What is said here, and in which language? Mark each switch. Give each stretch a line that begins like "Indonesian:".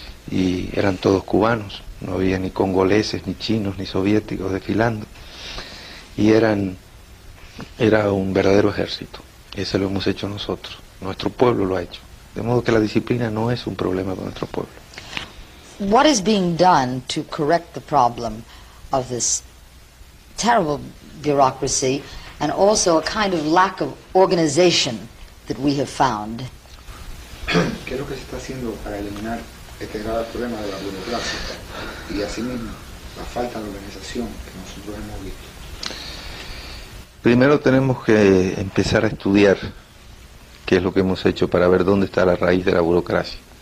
Spanish: y eran todos cubanos, no había ni congoleses, ni chinos, ni soviéticos desfilando, y era un verdadero ejército. Eso lo hemos hecho nosotros, nuestro pueblo lo ha hecho, de modo que la disciplina no es un problema con nuestro pueblo.
English: What is being done to correct the problem of this terrible bureaucracy and also a kind of lack of organization that we have found?
Spanish: ¿Qué es lo que se está haciendo para eliminar este grave problema de la burocracia y asimismo la falta de organización que nosotros hemos visto? Primero tenemos que empezar a estudiar qué es lo que hemos hecho para ver dónde está la raíz de la burocracia.